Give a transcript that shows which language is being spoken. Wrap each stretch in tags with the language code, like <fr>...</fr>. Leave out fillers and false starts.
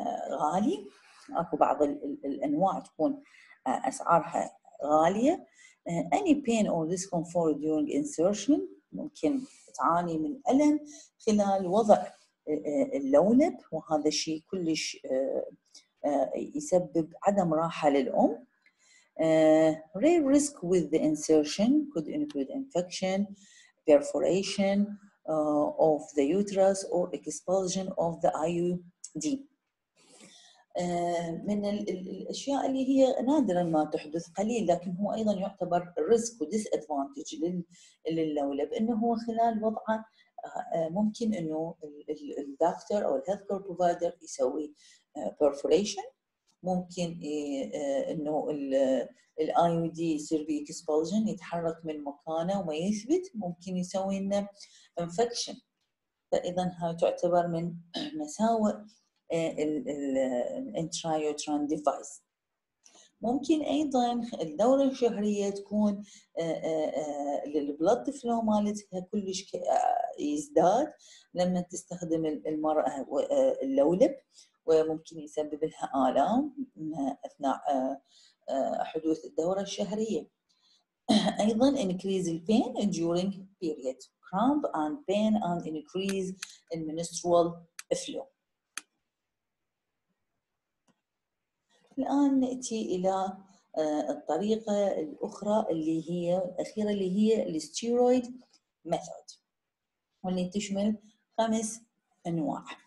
<ar>غالي، أكو بعض الأنواع تكون أسعارها غالية.</ar> <en>any pain or discomfort during insertion،</en> <ar>ممكن تعاني من ألم خلال وضع اللولب وهذا الشيء كلش يسبب عدم راحة للأم.</ar> <en>rare risk with the insertion could include infection, perforation of the uterus or expulsion of the IUD.</en> <ar>من الأشياء اللي هي نادراً ما تحدث قليل لكن هو أيضاً يعتبر risk و disadvantage لللولب إنه هو خلال وضعه ممكن إنه الدكتور أو الهيلثكير بروفايدر يسوي perforation، ممكن انه الاي او دي يصير بي اكسبلجن يتحرك من مكانه وما يثبت، ممكن يسوي لنا انفكشن. فاذا ها تعتبر من مساوئ الانترايوترين ديفايس. ممكن ايضا الدوره الشهريه تكون البلد فلو مالتها كلش يزداد لما تستخدم المراه اللولب وممكن يسبب لها آلام أثناء حدوث الدورة الشهرية. أيضا</ar> <en>increase the pain during period cramp and pain and increase the menstrual flow.</en> <ar>الآن نأتي إلى الطريقة الأخرى اللي هي الأخيرة اللي هي الستيرويد ميثود واللي تشمل 5 أنواع.</ar>